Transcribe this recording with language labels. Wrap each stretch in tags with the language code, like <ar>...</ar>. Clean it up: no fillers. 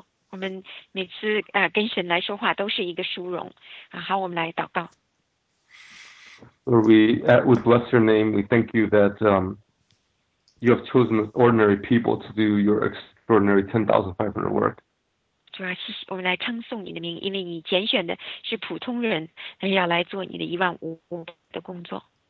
<zh>我们每次跟神来说话都是一个殊荣，好，我们来祷告。</zh> <en>Lord, we bless your name. We thank you that you have chosen ordinary people to do your extraordinary 10,500 work.</en> <zh>主啊，我们来称颂你的名，因为你拣选的是普通人，要来做你的一万五的工作。</zh>